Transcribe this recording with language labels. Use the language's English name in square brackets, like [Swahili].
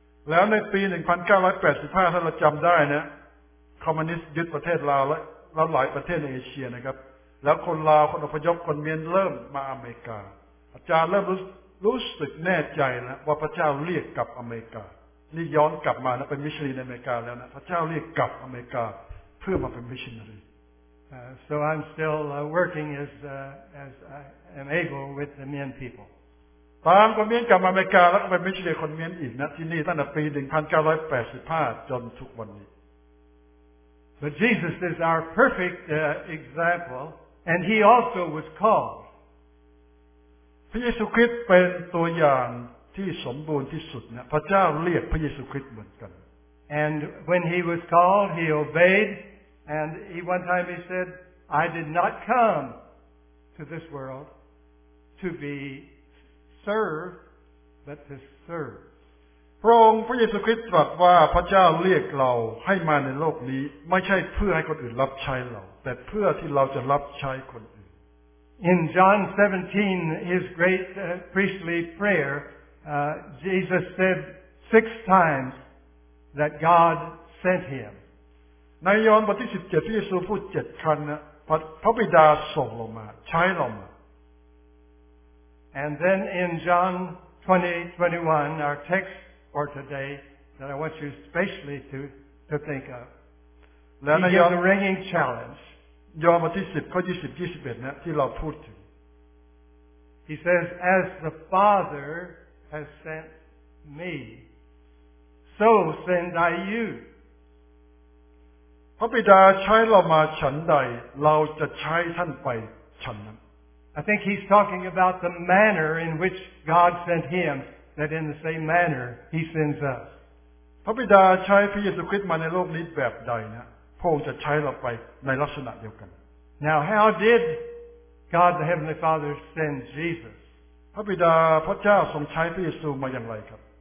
[Thai] แล้วในปี1985ถ้าเราจำได้นะคอมมิวนิสต์ยึดประเทศลาวและหลายประเทศในเอเชียนะครับแล้วคนลาวคนอพยพคนเมียนเริ่มมาอเมริกาอาจารย์เริ่มรู้สึกแน่ใจนะว่าพระเจ้าเรียกกลับอเมริกานี่ย้อนกลับมาแล้วเป็นมิชชันนารีในอเมริกาแล้วนะพระเจ้าเรียกกลับอเมริกาเพื่อมาเป็นมิชชันนารี [English] so I'm still working as I am able with the Mien people [Thai] ตามคนเมียนกลับอเมริกาแล้วก็เป็นมิชชันนารีคนเมียนอีกนะที่นี่ตั้งแต่ปี1985จนทุกวันนี้ [English] But Jesus is our perfect example, and He also was called. [Thai] พระเยซูคริสต์เป็นตัวอย่างที่สมบูรณ์ที่สุดนะพระเจ้าเรียกพระเยซูคริสต์เหมือนกัน [English] And when He was called, He obeyed, and one time He said, "I did not come to this world to be served, but to serve." [Thai] พระองค์พระเยซูคริสต์ตรัสว่าพระเจ้าเรียกเราให้มาในโลกนี้ไม่ใช่เพื่อให้คนอื่นรับใช้เราแต่เพื่อที่เราจะรับใช้คนอื่น [English] In John 17 his great priestly prayer Jesus said 6 times that God sent him [Thai] ในยอห์นบทที่17พระเยซูพูด7ครั้งนะพระบิดาส่งเรามาใช้เรามา [English] And then in John 20:21 our textFor today, that I want you especially to think of. Then he gave the ringing challenge. John 10, 20, 21, that we have talked to. He says, "As the Father has sent me, so send I you." [Thai] พระบิดาใช้เรามาฉันใดเราจะใช้ท่านไปฉันนั้น [English] I think he's talking about the manner in which God sent him. That in the same manner he sends us. [Thai] พระบิดาใช้พระเยซูคริสต์มาในโลกนี้แบบใดนะพระองค์จะใช้เราไปในลักษณะเดียวกัน [English] Now how did God the Heavenly Father send Jesus? [Thai] พระบิดาพระเจ้าทรงใช้พระเยซูมาอย่างไรครับ